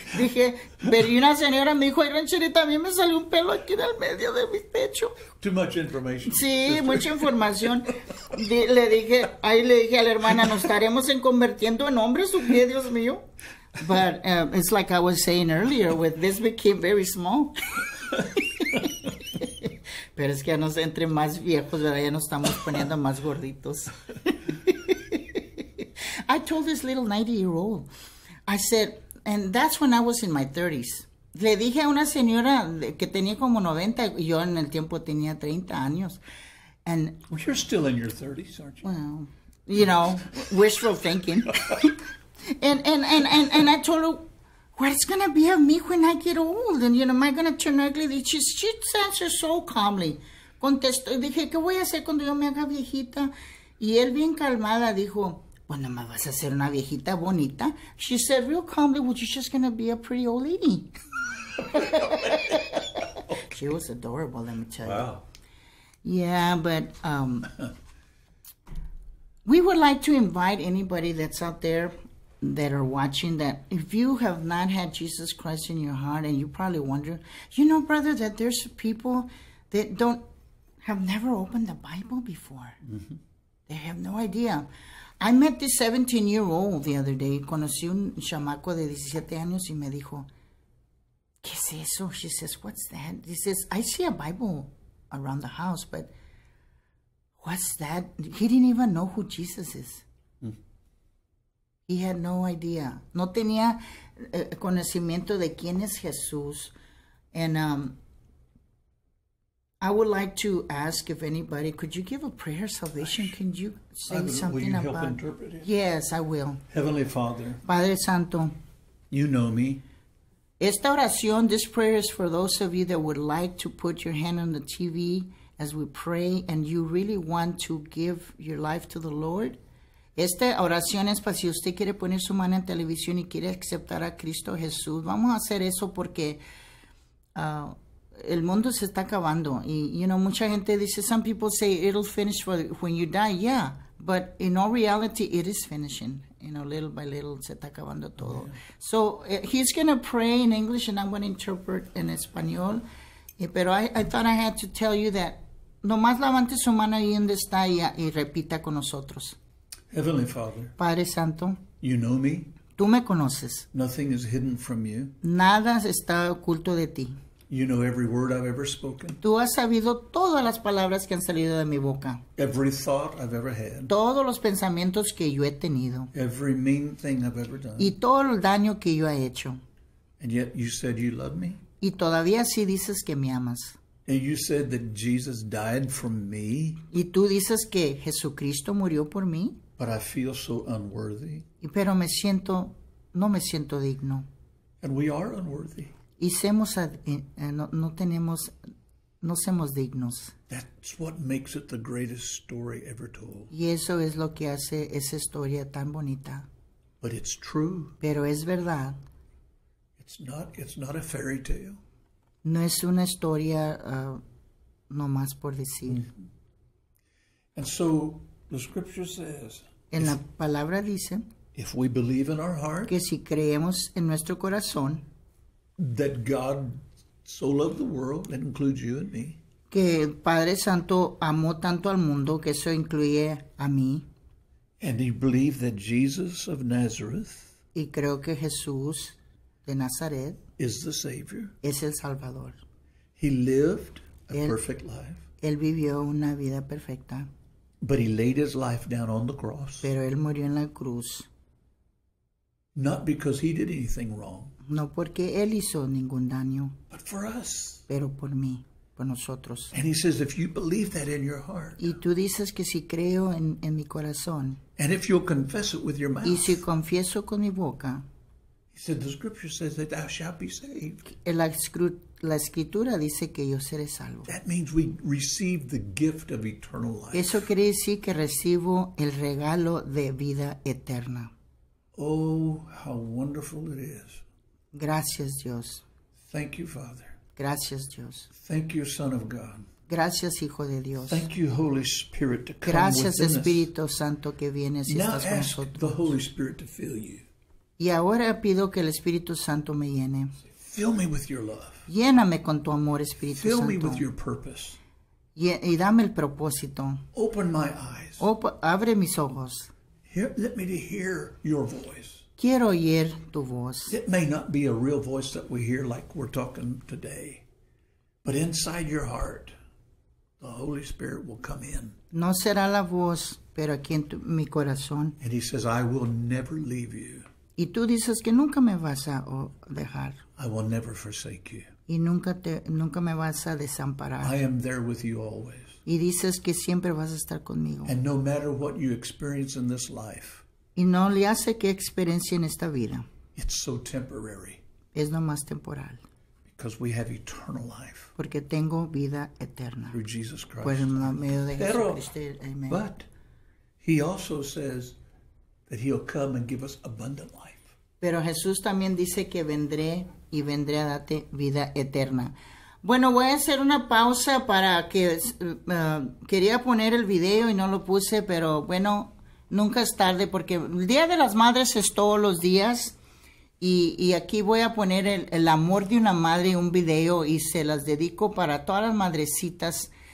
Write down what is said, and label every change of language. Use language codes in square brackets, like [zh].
[es] Dije, pero una señora me dijo, ay, rancherita, a mí me salió un pelo aquí en el medio de mi pecho. [en] Too much information. [es] Sí, sister. Mucha información. Le dije a la hermana, nos estaremos en convirtiendo en hombres, ¿o qué, Dios mío? [en] But it's like I was saying earlier, with this became very small. [es] Pero es que ya nos entre más viejos, ¿verdad? Ya nos estamos poniendo más gorditos. [en] I told this little 90-year-old, I said, and that's when I was in my 30s. [es] Le dije a una señora que tenía como 90, y yo en el tiempo tenía 30 años. [en] And well, you're still in your 30s, aren't you? Well, you know, wishful thinking. and I told her, what is going to be of me when I get old? And, you know, am I going to turn ugly? She answered so calmly. Contestó, dije, ¿qué voy a hacer cuando yo me haga viejita? Y él bien calmada dijo, bueno, me vas a hacer una viejita bonita. She said, real calmly, well, you're just going to be a pretty old lady. Okay. She was adorable, let me tell wow. you. Yeah, but we would like to invite anybody that's out there that are watching that if you have not had Jesus Christ in your heart and you probably wonder, you know, brother, that there's people that don't have never opened the Bible before. Mm-hmm. They have no idea. I met this 17-year-old the other day. [es] Conocí un chamaco de 17 años y me dijo, ¿qué es eso? [en] She says, what's that? He says, I see a Bible around the house, but what's that? He didn't even know who Jesus is. Mm-hmm. He had no idea. [es] No tenía conocimiento de quién es Jesús. [en] And I would like to ask if anybody, could you give a prayer of salvation? Can you say something will you about help interpret it? Yes, I will. Heavenly Father. Padre Santo. You know me. [es] Esta oración, [en] this prayer is for those of you that would like to put your hand on the TV as we pray and you really want to give your life to the Lord. [es] Esta oración es para si usted quiere poner su mano en televisión y quiere aceptar a Cristo Jesús. Vamos a hacer eso porque el mundo se está acabando. Y, [en] you know, [es] mucha gente dice, [en] some people say it'll finish for when you die. Yeah, But in all reality, it is finishing. You know, little by little, [es] se está acabando todo. [en] Yeah. So he's going to pray in English, and I'm going to interpret in Español. [es] Pero [en] I thought I had to tell you that. [es] Nomás levante su mano ahí donde está y repita con nosotros. [en] Heavenly Father. [es] Padre Santo. [en] You know me. [es] Tú me conoces. [en] Nothing is hidden from you. [es] Nada está oculto de ti. [en] You know every word I've ever spoken. [es] Tú has sabido todas las palabras que han salido de mi boca. [en] Every thought I've ever had. [es] Todos los pensamientos que yo he tenido. [en] Every mean thing I've ever done. [es] Y todo el daño que yo he hecho. [en] And yet you said you love me. [es] Y todavía sí dices que me amas. [en] And you said that Jesus died for me. [es] Y tú dices que Jesucristo murió por mí. [en] But I feel so unworthy. [es] Y pero me siento, no me siento digno. [en] And we are unworthy. [es] Y somos, no tenemos, no somos dignos. [en] That's what makes it the greatest story ever told. [es] Y eso es lo que hace esa historia tan bonita. [en] But it's true. [es] Pero es verdad. [en] It's not a fairy tale. [es] No es una historia nomás por decir. [en] And so the scripture says. [es] En la palabra dice. [en] If we believe in our heart. [es] Que si creemos en nuestro corazón. [en] That God so loved the world, that includes you and me. [es] Que el Padre Santo amó tanto al mundo, que eso incluye a mí. [en] And he believed that Jesus of Nazareth. [es] Y creo que Jesús de Nazaret. [en] Is the Savior. [es] Es el Salvador. [en] He lived a perfect life. [es] Él vivió una vida perfecta. [en] But he laid his life down on the cross. [es] Pero él murió en la cruz. [en] Not because he did anything wrong. [es] No porque él hizo ningún daño. [en] But for us. [es] Pero por mí, por nosotros. [en] And he says, if you believe that in your heart. [es] Y tú dices que si creo en mi corazón. [en] And if you'll confess it with your mouth. [es] Y si confieso con mi boca. [en] He said, the scripture says that thou shalt be saved. [es] La escritura dice que yo seré salvo. [en] That means we receive the gift of eternal life. [es] Eso quiere decir que recibo el regalo de vida eterna. [en] Oh, how wonderful it is. [es] Gracias, Dios. [en] Thank you, Father. [es] Gracias, Dios. [en] Thank you, Son of God. [es] Gracias, Hijo de Dios. [en] Thank you, Holy Spirit, to come [es] gracias, [en] within [es] Espíritu [en] us. [es] Santo, que vienes y estás con nosotros. [en] Now ask the Holy Spirit to fill you. [es] Y ahora pido que el Espíritu Santo me llene. [en] Fill me with your love. [es] Lléname con tu amor, Espíritu [en] fill [es] Santo. [en] Fill me with your purpose. [es] Y dame el propósito. [en] Open my eyes. [es] Abre mis ojos. [en] Let me to hear your voice. [es] Quiero oír tu voz. [en] It may not be a real voice that we hear like we're talking today, but inside your heart, the Holy Spirit will come in. [es] No será la voz, pero aquí en mi corazón. [en] And he says, I will never leave you. [es] Y tú dices que nunca me vas a dejar. [en] I will never forsake you. [es] Y nunca me vas a desamparar. [en] I am there with you always. [es] Y dices que siempre vas a estar conmigo. [en] And no matter what you experience in this life, [es] y no le hace que experiencie en esta vida. [en] It's so temporary. [es] Es lo más temporal. [en] Because we have eternal life. [es] Porque tengo vida eterna. [en] Through Jesus Christ. [es] Por el medio de Jesucristo. Amen. [en] But he also says that he'll come and give us abundant life. [es] Pero Jesús también dice que vendré y vendré a darte vida eterna. Bueno, voy a hacer una pausa para que quería poner el video y no lo puse, pero bueno. Nunca es tarde porque el Día de las Madres es todos los días y aquí voy a poner el amor de una madre, un video y se las dedico para todas las madrecitas.